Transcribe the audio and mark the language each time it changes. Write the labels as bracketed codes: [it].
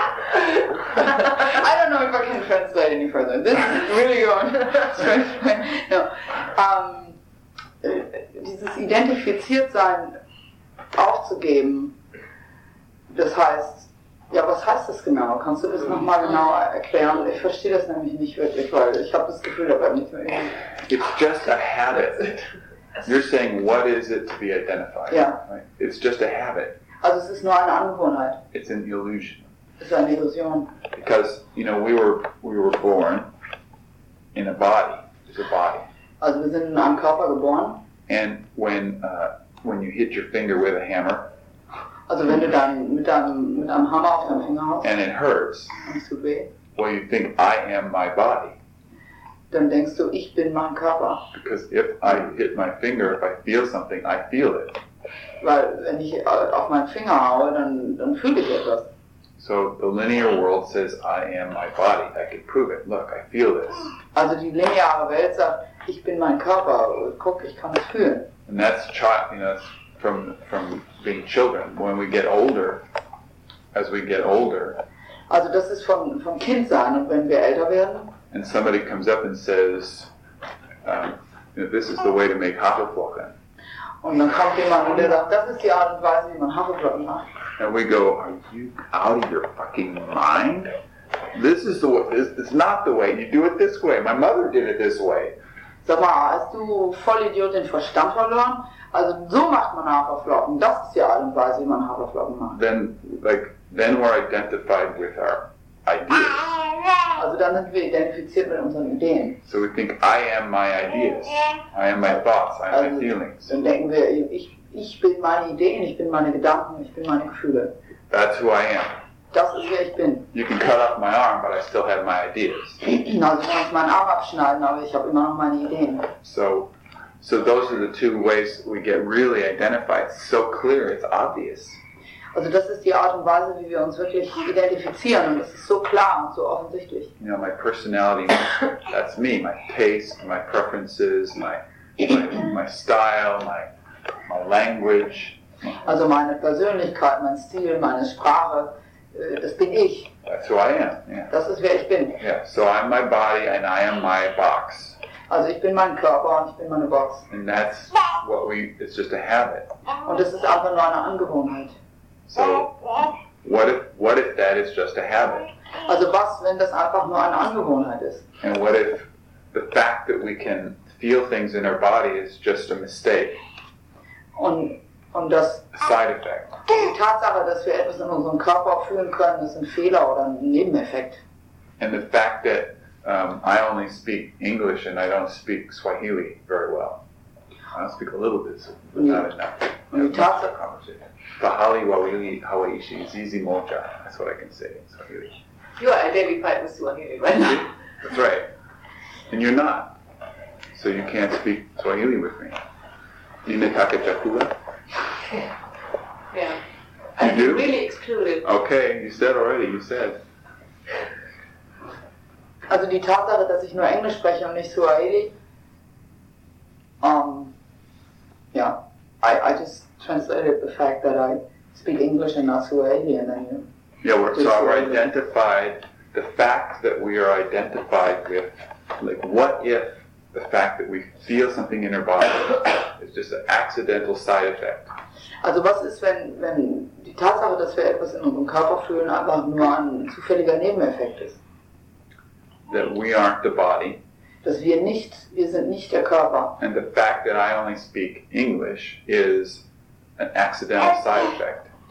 [en] I don't know if I can translate any further. This is really going strange. No. [de] Dieses identifiziert sein aufzugeben, das heißt, ja, was heißt das genau? Kannst du das nochmal genauer erklären? Ich verstehe das nämlich nicht wirklich, weil ich habe das Gefühl, aber nicht mehr. [en] It's just a habit. You're saying, what is it to be identified? Yeah. Right? It's just a habit. [de] Also, es ist nur eine Angewohnheit. [en] It's an illusion. [de] Es ist eine Illusion. [en] Because, you know, we were born in a body. It's a body. [de] Also, wir sind in einem Körper geboren. [en] And when you hit your finger with a hammer, [de] also wenn du dann mit einem Hammer auf deinem Finger haust, [en] and it hurts, [de] so weh, [en] well, you think I am my body. [de] Dann denkst du, ich bin mein Körper. [en] Because if I hit my finger, if I feel something, I feel it. [de] Weil wenn ich auf meinen Finger haue, dann fühle ich etwas. [en] So the linear world says I am my body. I can prove it. Look, I feel this. [de] Also die lineare Welt sagt, ich bin mein Körper. Guck, ich kann es fühlen. [en] And that's from being children. When we get older, as we get older. [de] Also das ist vom Kind sein und wenn wir älter werden. [en] And somebody comes up and says, this is the way to make haferflocken. [de] Und dann kommt jemand und der sagt, das ist die Art und Weise, wie man haferflocken macht. [en] And we go, are you out of your fucking mind? This is the way, this is not the way. You do it this way. My mother did it this way. [de] Sag mal, hast du voll Idiot den Verstand verloren? Also so macht man Haferflocken. Das ist die Art und Weise, wie man Haferflocken macht. [en] Then we're identified with our ideas. [de] Also dann sind wir identifiziert mit unseren Ideen. [en] So we think, I am my ideas. I am my thoughts. I am [de] also, [en] my feelings. [de] Dann denken wir, ich bin meine Ideen, ich bin meine Gedanken, ich bin meine Gefühle. [en] That's who I am. [de] Das ist wer ich bin. [en] You can cut off my arm, but I still have my ideas. [de] Also kann ich meinen Arm abschneiden, aber ich habe immer noch meine Ideen. [en] So those are the two ways we get really identified. So clear, it's obvious. [de] Also das ist die Art und Weise, wie wir uns wirklich identifizieren. Und das ist so klar und so offensichtlich. [en] You know, my personality, that's me. My taste, my preferences, my style, my language. [de] Also meine Persönlichkeit, mein Stil, meine Sprache, das bin ich. [en] That's who I am. Yeah. [de] Das ist wer ich bin. [en] Yeah. So I'm my body and I am my box. [de] Also ich bin mein Körper und ich bin meine Box. [en] And that's what we. It's just a habit. [de] Und das ist einfach nur eine Angewohnheit. [en] So what if that is just a habit? [de] Also was, wenn das einfach nur eine Angewohnheit ist? [en] And what if the fact that we can feel things in our body is just a mistake? [de] Und das [en] side effect. [de] Die Tatsache, dass wir etwas in unserem Körper fühlen können, ist ein Fehler oder ein Nebeneffekt. [en] And the fact that I only speak English and I don't speak Swahili very well. I speak a little bit, so, but not enough. [de] Und die Tatsache, [sw] Fahali Wawili Hawaiishi Zizi Moja, [en] that's what I can say in Swahili. You are identified with Swahili, right? That's right. And you're not. So you can't speak Swahili with me. Yeah. You do? Really excluded. Okay, you said already, you said. [de] Also die Tatsache, dass ich nur Englisch spreche und nicht Swahili, [en] I just translated the fact that I speak English and not Swahili, and then you... Yeah, we're identified, the fact that we are identified with, like, what if the fact that we feel something in our body is just an accidental side effect. [de] Also was ist, wenn die Tatsache, dass wir etwas in unserem Körper fühlen, einfach nur ein zufälliger Nebeneffekt ist? [en] That we aren't the body. [de] Dass wir sind nicht der Körper. [en] And the fact that I only speak English is an accidental side effect.